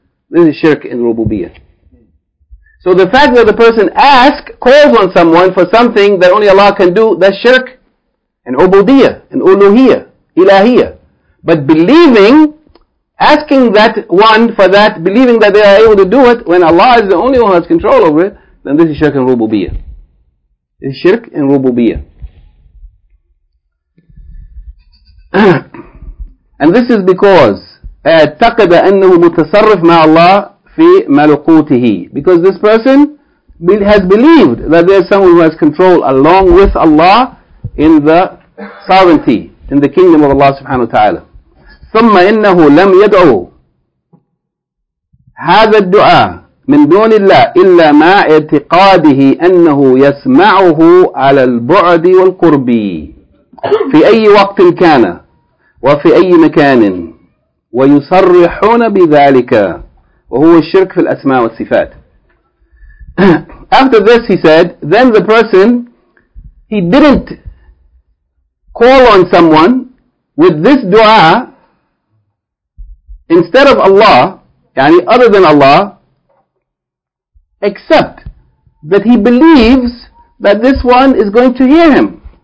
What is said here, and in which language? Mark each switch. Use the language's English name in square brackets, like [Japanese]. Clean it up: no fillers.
[English] This is shirk in rububiyyah. So the fact that the person asks, calls on someone for something that only Allah can do, that's shirk in ubudiyyah, in uluhiyyah, ilahiyyah. But believing, asking that one for that, believing that they are able to do it, when Allah is the only one who has control over it, then this is shirk and rububiyyah. This is shirk and rububiyyah. [Arabic] And this is because, اَعْتَقَدَ أَنَّهُ مُتَصَرِّفْ مَا اللَّهُ فِي مَلُقُوتِهِ. [English] Because this person has believed that there is someone who has control along with Allah in the sovereignty, in the kingdom of Allah subhanahu wa ta'ala. [Arabic] ثم إنه لم يدعو هذا الدعاء من دون الله إلا مع اعتقاده أنه يسمعه على البعد والقرب في أي وقت كان وفي أي مكان ويصرحون بذلك وهو الشرك في الأسماء والصفات. [English] After this he said, then the person, he didn't call on someone with this dua instead of Allah, yani other than Allah, except that he believes that this one is going to hear him.